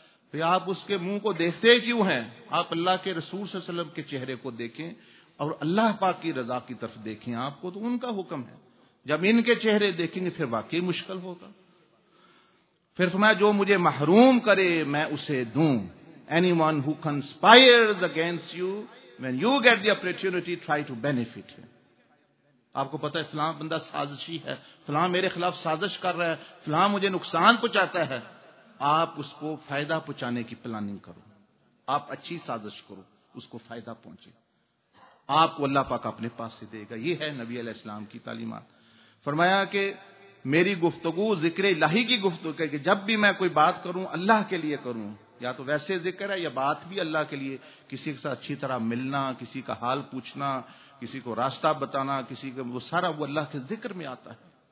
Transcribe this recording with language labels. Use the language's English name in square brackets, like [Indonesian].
[Urdu] پھر آپ اس کے منہ کو دیکھتے کیوں ہیں؟ آپ اللہ کے رسول صلی اللہ علیہ وسلم کے چہرے کو دیکھیں اور اللہ پاک کی رضا کی طرف دیکھیں. آپ کو تو ان کا حکم ہے, جب ان کے چہرے دیکھیں گے پھر واقعی مشکل ہوگا. پھر فرمایا جو مجھے محروم کرے میں اسے دوں. [English] Anyone who conspires against you, when you get the opportunity, try to benefit him. [Urdu] آپ کو پتا ہے فلاں بندہ سازشی ہے, فلاں میرے خلاف سازش کر رہا ہے, فلاں مجھے نقصان پہنچاتا ہے, آپ اس کو فائدہ پہنچانے کی پلاننگ کرو, آپ اچھی سازش کرو اس کو فائدہ پہنچے, آپ کو اللہ پاک اپنے پاس سے دے گا. یہ ہے نبی علیہ السلام کی تعلیمات. فرمایا کہ میری گفتگو ذکر الہی کی گفتگو, کہ جب بھی میں کوئی بات کروں اللہ کے لیے کروں, یا تو ویسے ذکر ہے یا بات بھی اللہ کے لیے, کسی کے ساتھ اچھی طرح ملنا, کسی کا حال پوچھنا, کسی کو راستہ بتانا, کسی کا, وہ سارا وہ اللہ کے ذکر میں آتا ہے.